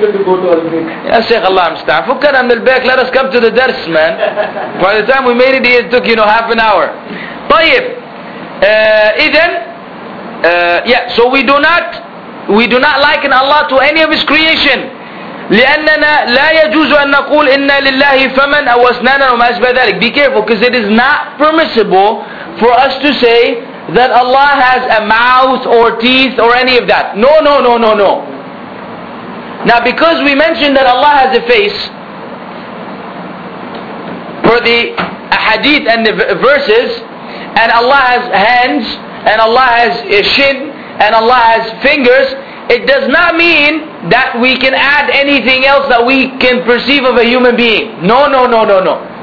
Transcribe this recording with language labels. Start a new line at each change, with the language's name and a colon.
English: Ya Shaykh Allah, I'm staff. Fukkan am al-baik, let us come to the dars, man. By the time we made it, it took, you know, half an hour. Tayyib. So we do not liken Allah to any of His creation.
Arabic: لأننا لا يجوز أن نقول إن لله فمن أو أسنانا وما أشبه ذلك.
English: Be careful, because it is not permissible for us to say that Allah has a mouth or teeth or any of that. No. Now, because we mentioned that Allah has a face, for the hadith and the verses, and Allah has hands, and Allah has a shin, and Allah has fingers, it does not mean that we can add anything else that we can perceive of a human being. No.